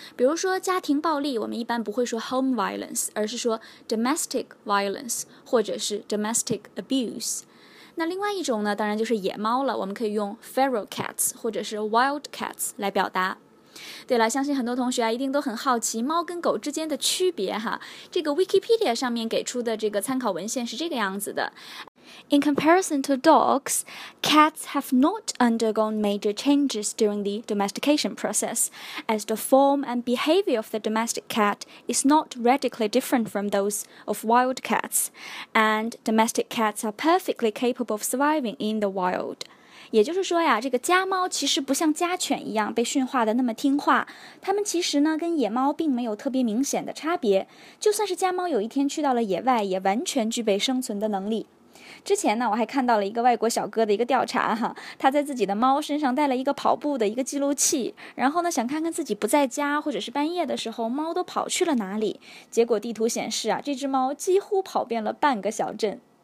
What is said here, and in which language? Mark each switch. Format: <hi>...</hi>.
<zh>比如说家庭暴力，我们一般不会说</zh> <en>home violence，</en> <zh>而是说</zh> <en>domestic violence</en> <zh>或者是</zh> <en>domestic abuse。</en> <zh>那另外一种呢，当然就是野猫了，我们可以用</zh> <en>feral cats</en> <zh>或者是</zh> <en>wild cats</en> <zh>来表达。对了，相信很多同学啊一定都很好奇猫跟狗之间的区别哈。这个 Wikipedia 上面给出的这个参考文献是这个样子的。</zh> <en>In comparison to dogs, cats have not undergone major changes during the domestication process, as the form and behavior of the domestic cat is not radically different from those of wild cats, and domestic cats are perfectly capable of surviving in the wild.</en> <zh>也就是说呀，这个家猫其实不像家犬一样被驯化的那么听话，它们其实呢跟野猫并没有特别明显的差别，就算是家猫有一天去到了野外，也完全具备生存的能力。之前呢，我还看到了一个外国小哥的一个调查哈，他在自己的猫身上带了一个跑步的一个记录器，然后呢想看看自己不在家或者是半夜的时候猫都跑去了哪里，结果地图显示啊，这只猫几乎跑遍了半个小镇。</zh>